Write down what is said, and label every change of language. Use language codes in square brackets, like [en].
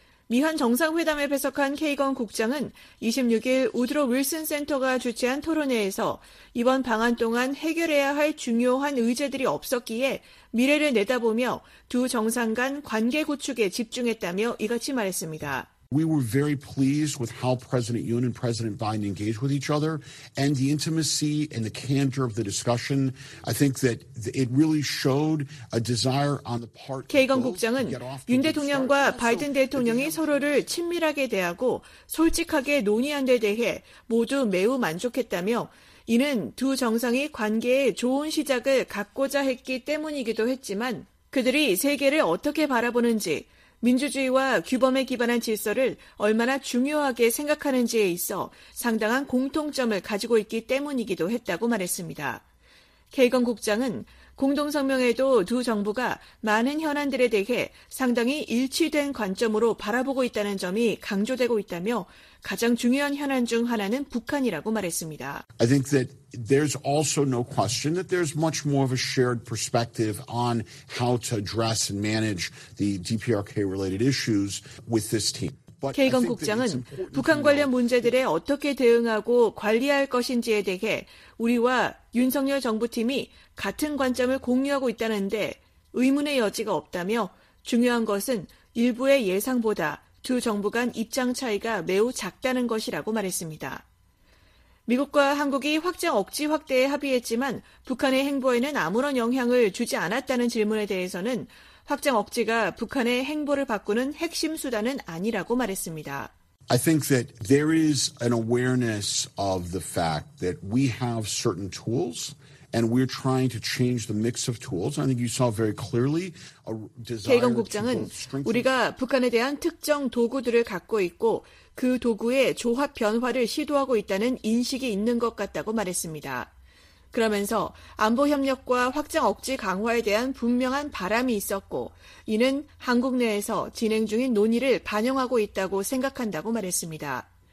[ko] 미한 정상회담에 배석한 케이건 국장은 26일 우드로 윌슨 센터가 주최한 토론회에서 이번 방한 동안 해결해야 할 중요한 의제들이 없었기에 미래를 내다보며 두 정상 간 관계 구축에 집중했다며 이같이 말했습니다. [en] We were very pleased with how President Yoon and President Biden engaged with each other and the intimacy and the candor of the discussion. I think that it really showed a desire on the part of the [ko] Keigon 국장은 윤 대통령과 바이든 대통령이 서로를 친밀하게 대하고 솔직하게 논의한 데 대해 모두 매우 만족했다며 이는 두 정상이 관계에 좋은 시작을 갖고자 했기 때문이기도 했지만 그들이 세계를 어떻게 바라보는지 민주주의와 규범에 기반한 질서를 얼마나 중요하게 생각하는지에 있어 상당한 공통점을 가지고 있기 때문이기도 했다고 말했습니다. 케이건 국장은 공동성명에도 두 정부가 많은 현안들에 대해 상당히 일치된 관점으로 바라보고 있다는 점이 강조되고 있다며 가장 중요한 현안 중 하나는 북한이라고 말했습니다. [en] I think that there's also no question that there's much more of a shared perspective on how to address and manage the DPRK related issues with this team. [ko] 케이건 국장은 북한 관련 문제들에 어떻게 대응하고 관리할 것인지에 대해 우리와 윤석열 정부팀이 같은 관점을 공유하고 있다는데 의문의 여지가 없다며 중요한 것은 일부의 예상보다 두 정부 간 입장 차이가 매우 작다는 것이라고 말했습니다. 미국과 한국이 확장 억지 확대에 합의했지만 북한의 행보에는 아무런 영향을 주지 않았다는 질문에 대해서는 확장 억지가 북한의 행보를 바꾸는 핵심 수단은 아니라고 말했습니다. [en] I think that there is an awareness of the fact that we have certain tools and we're trying to change the mix of tools. I think you saw very clearly a desire. [ko] 케이건 국장은 우리가 북한에 대한 특정 도구들을 갖고 있고 그 도구의 조합 변화를 시도하고 있다는 인식이 있는 것 같다고 말했습니다. 그러면서 안보 협력과 확장 억제 강화에 대한 분명한 바람이 있었고 이는 한국 내에서 진행 중인 논의를 반영하고 있다고 생각한다고 말했습니다.